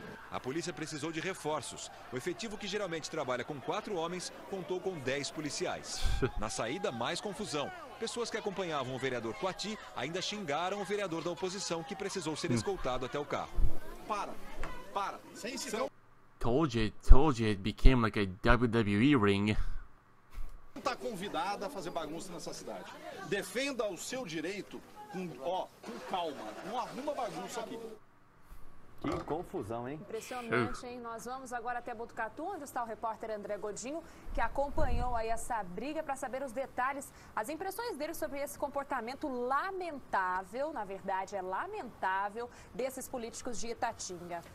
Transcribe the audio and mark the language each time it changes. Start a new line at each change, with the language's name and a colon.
Portuguese: A polícia precisou de reforços. O efetivo, que geralmente trabalha com 4 homens, contou com 10 policiais. Na saída, mais confusão. Pessoas que acompanhavam o vereador Quati ainda xingaram o vereador da oposição, que precisou ser escoltado até o carro. Para! Para! Sem incisão!
English: Told you, it became like a WWE ring.
Portuguese: Não está convidada a fazer bagunça nessa cidade. Defenda o seu direito com calma. Não arruma bagunça aqui. Que confusão, hein? Impressionante, hein? Nós vamos agora até Botucatu, onde está o repórter André Godinho, que acompanhou aí essa briga para saber os detalhes, as impressões dele sobre esse comportamento lamentável, na verdade é lamentável, desses políticos de Itatinga.